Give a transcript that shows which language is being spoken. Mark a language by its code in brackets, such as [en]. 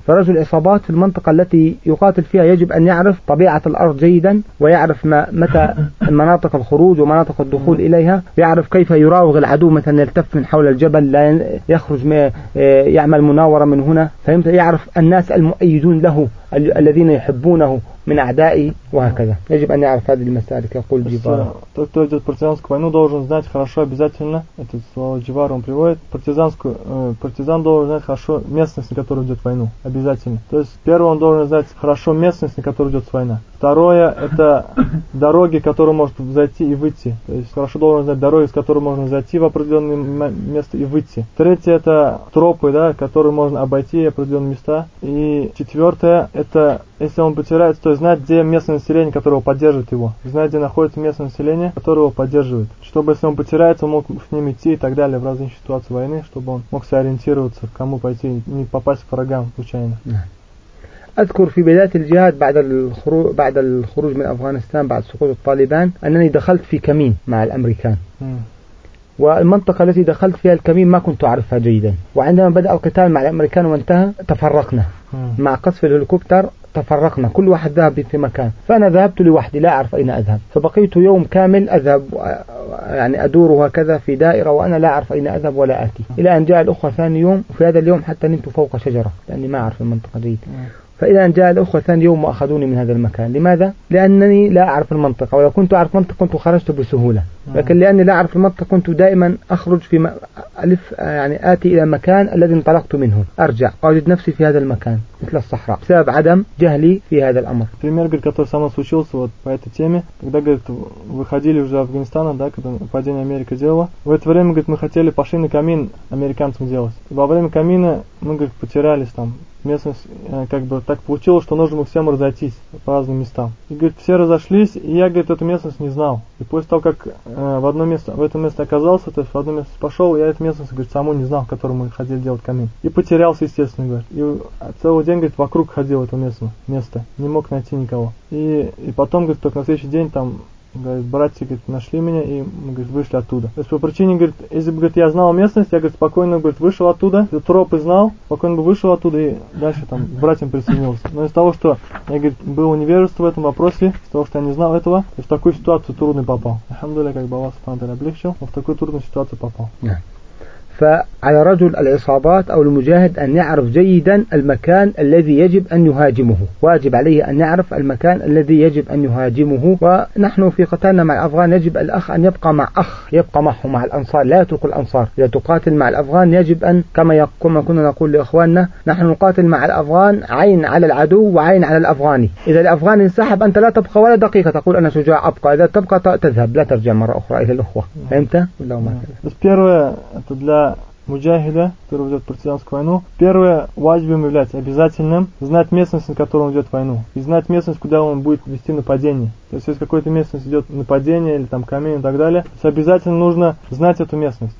[ar] فرجل العصابات في المنطقة التي يقاتل فيها يجب أن يعرف طبيعة الأرض جيدا, ويعرف ما متى مناطق الخروج ومناطق الدخول إليها, يعرف كيف يراوغ العدو, مثلا يلتف من حول الجبل لا يخرج, ما يعمل مناورة من هنا, فيعرف الناس المؤيدون له الذين يحبونه من أعدائي وهكذا. يجب أن يعرف هذه المسائل. يقول جيفارا. [ru] Тот, кто идет в партизанскую войну, должен знать хорошо обязательно. Это слово Джевара он приводит. Партизан должен знать хорошо местность, на которую идет война. Обязательно. То есть первое, он должен знать хорошо местность, на которую идет война. Второе, это дороги, которые может зайти и выйти. То есть хорошо должен знать дороги, с которой можно зайти в определенное место и выйти. Третье, это тропы, да, которые можно обойти в определенные места. И четвертое, это если он потеряется, то есть знать, где местное население, которое его поддерживает его. Знать, где находится местное население, которое его поддерживает. Чтобы если он потеряется, он мог с ним идти и так далее в разные ситуации войны, чтобы он мог сориентироваться, к кому пойти, не попасть к врагам случайно. [ar] أذكر في بداية الجهاد بعد الخروج من أفغانستان بعد سقوط الطالبان أنني دخلت في كمين مع الأمريكان. والمنطقة التي دخلت فيها الكمين ما كنت أعرفها جيدا, وعندما بدأ القتال مع الأمريكان وانتهى تفرقنا. مع قصف الهليكوبتر تفرقنا, كل واحد ذهب في مكان, فأنا ذهبت لوحدي لا أعرف أين أذهب. فبقيت يوم كامل أذهب يعني أدور هكذا في دائرة وأنا لا أعرف أين أذهب ولا آتي, إلى أن جاء الأخوة ثاني يوم. في هذا اليوم حتى نمت فوق شجرة لأني ما أعرف المنطقة جيدا. فإذا جاء الأخوة ثاني يوم وأخذوني من هذا المكان، لماذا؟ لأنني لا أعرف المنطقة، ولو كنت أعرف المنطقة كنت خرجت بسهولة، لكن لأني لا أعرف المنطقة كنت دائما أخرج في ألف يعني آتي إلى المكان الذي انطلقت منه، أرجع أجد نفسي في هذا المكان مثل الصحراء بسبب عدم جهلي في هذا الأمر. [ru] Пример, который со мной случился вот по этой теме, когда говорит выходили уже из Афганистана, да, когда падение Америки делало. В это время говорит мы хотели пошли на камин американцам делать. Во время камина мы говорит потерялись там. Местность, как бы так получилось, что нужно было всем разойтись по разным местам. И говорит, все разошлись, и я, говорит, эту местность не знал. И после того, как в одно место, в это место оказался, то есть в одно место пошел, я эту местность, говорит, саму не знал, в которую мы хотели делать камин. И потерялся, естественно, говорит. И целый день, говорит, вокруг ходил это место, не мог найти никого. И потом, говорит, только на следующий день там... Говорит, братья, говорит, нашли меня, и мы, говорит, вышли оттуда. То есть по причине, говорит, если бы, говорит, я знал местность, я, говорит, спокойно, говорит, вышел оттуда, тропы знал, спокойно бы вышел оттуда и дальше там к братьям присоединился. Но из-за того, что я, говорит, был невежество в этом вопросе, из-за того, что я не знал этого, и в такую ситуацию трудно попал. Алхамдулиллях, как бы Аллах субхана ва тааля облегчил, но в такую трудную ситуацию попал. [ar] فعلى رجل العصابات أو المجاهد أن يعرف جيدا المكان الذي يجب أن يهاجمه، واجب عليه أن يعرف المكان الذي يجب أن يهاجمه. ونحن في قتالنا مع الأفغان يجب الأخ أن يبقى مع أخ، يبقى معه مع الأنصار، لا يترك الأنصار. إذا تقاتل مع الأفغان يجب أن كما كنا نقول لإخواننا، نحن نقاتل مع الأفغان عين على العدو وعين على الأفغاني. إذا الأفغان انسحب أنت لا تبقى ولا دقيقة، تقول أنا شجاع أبقى، إذا تبقى تذهب لا ترجع مرة أخرى إلى الأخوة. أنت ولا ما [ru] Муджахида, который ведет партизанскую войну, первое важным является обязательным знать местность, на которую он ведет войну, и знать местность, куда он будет вести нападение. То есть, если в какой-то местности идет нападение или там камень и так далее, то есть обязательно нужно знать эту местность.